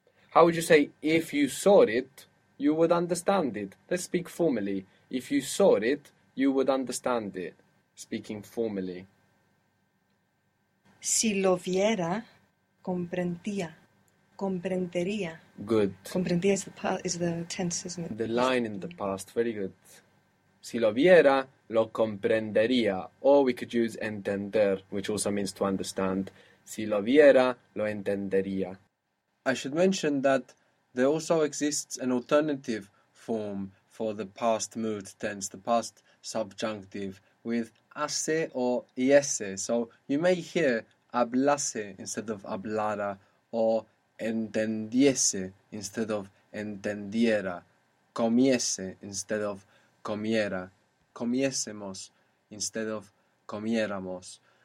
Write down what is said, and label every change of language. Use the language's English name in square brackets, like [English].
[English] How would you say, if you saw it, you would understand it? Let's speak formally. If you saw it, you would understand it. Speaking formally. [Spanish] Si lo viera, comprendía. Comprendería. [English] Good. Comprendía is the tense, isn't it? The line in the past. Very good. [Spanish] Si lo viera, lo comprendería. [English] Or we could use entender, which also means to understand. [Spanish] Si lo viera, lo entendería. [English] I should mention that there also exists an alternative form for the past mood tense, the past subjunctive, with hace or iese. So you may hear hablase instead of hablara, or entendiese instead of entendiera, comiese instead of comiera, comiésemos instead of comiéramos.